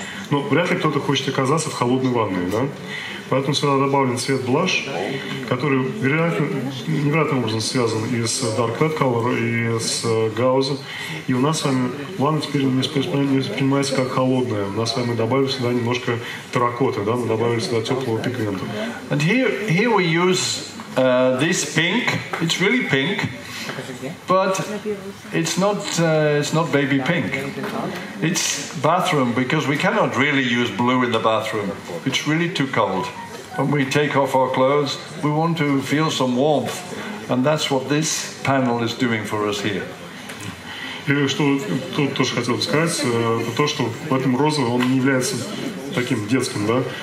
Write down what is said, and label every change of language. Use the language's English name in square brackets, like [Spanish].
[Russian] Но вряд ли кто-то хочет оказаться в холодной ванной, да? Поэтому сюда добавлен цвет blush, который невероятным образом связан и с dark red color, и с гаузом. И у нас с вами ванна теперь не воспринимается как холодная. У нас с вами добавили сюда немножко терракоты, да? Мы добавили сюда теплого пигмента. [English] And here we use this pink. It's really pink, but it's not baby pink. It's bathroom, because we cannot really use blue in the bathroom. It's really too cold. When we take off our clothes, we want to feel some warmth, and that's what this panel is doing for us here. [Russian] И что тут тоже хотел бы сказать, то, что в этом розовом он не является таким детским, да?